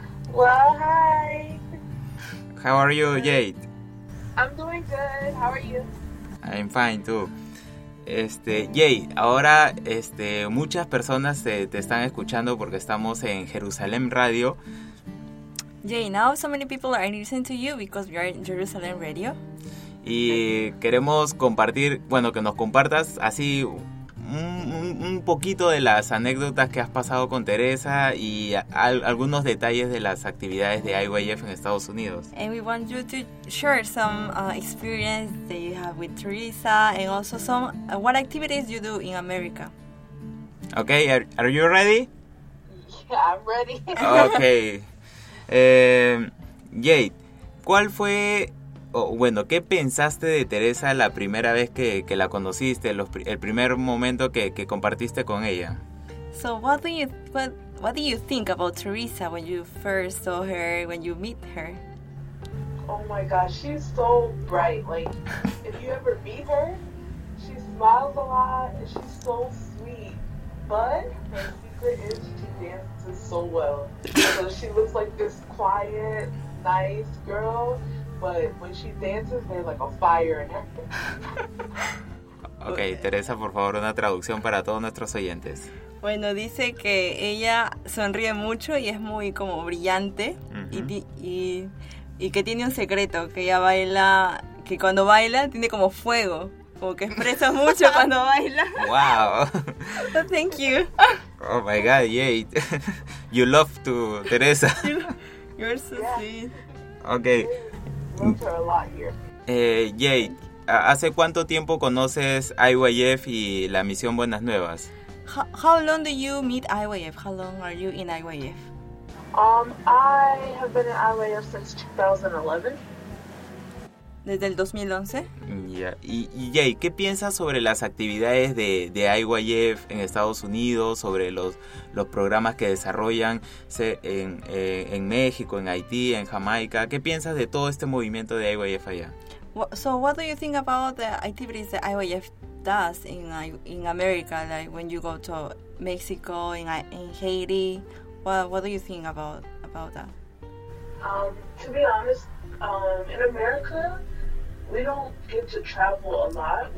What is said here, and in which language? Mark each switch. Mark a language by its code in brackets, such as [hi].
[en] Well, hi. How are you, Jade? I'm doing good, how are you? I'm fine, too. [es] Jade, ahora muchas personas te están escuchando porque estamos en Jerusalén Radio. [en] Jay, now so many people are listening to you because you're in Jerusalem Radio. [es] y queremos compartir, bueno, que nos compartas así un poquito de las anécdotas que has pasado con Teresa y algunos detalles de las actividades de IYF en Estados Unidos. [en] And we want you to share some experience that you have with Teresa and also some what activities you do in America. Okay, are you ready? Yeah, I'm ready. Okay. [es] Jade, ¿cuál fue, bueno, qué pensaste de Teresa la primera vez que la conociste, el primer momento que compartiste con ella? [en] So what do you think about Teresa when you first saw her, when you meet her? Oh my gosh, she's so bright. Like, if you ever meet her, she smiles a lot and she's so sweet. But her secret is she dances so well. So she looks like this quiet, nice girl, but when she dances, there's like a fire in her. [es] Okay, Teresa, por favor, una traducción para todos nuestros oyentes. Bueno, dice que ella sonríe mucho y es muy como brillante. Uh-huh. Y que tiene un secreto, que ella baila, que cuando baila tiene como fuego, como que expresa mucho cuando baila. [en] Wow. So thank you. Oh my God, yay. You love to Teresa. You're so sweet. Okay. Love her a lot here. [es] Jade, ¿hace cuánto tiempo conoces IYF y la misión Buenas Nuevas? [en] How long do you meet IYF? How long are you in IYF? I have been in IYF since 2011. [es] ¿Desde el 2011? [en] Yeah. [es] Y Jade, ¿qué piensas sobre las actividades de IYF en Estados Unidos, sobre los programas que desarrollan en México, en Haití, en Jamaica? ¿Qué piensas de todo este movimiento de IYF allá? [en] So what do you think about the activities that IYF does in America, like when you go to Mexico, in Haiti? What do you think about that? To be honest, in America, we don't get to travel a lot.